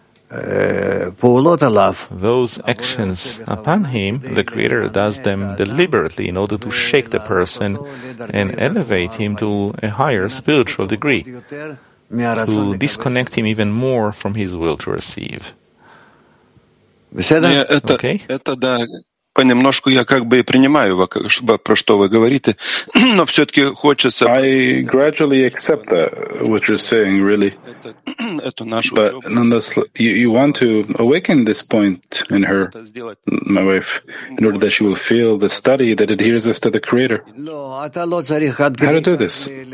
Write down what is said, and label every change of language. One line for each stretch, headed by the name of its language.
English: those actions upon him, the Creator does them deliberately in order to shake the person and elevate him to a higher spiritual degree, to disconnect him even more from his will to receive. Okay?
Russian: понемножку я как бы и принимаю, про что вы говорите, но все-таки хочется...
English: I gradually accept that, what you're saying, really.
Russian: Это нашу
English: But nonetheless, you want to awaken this point in her, my wife, in order that she will feel the study that adheres us to the Creator. How to do this?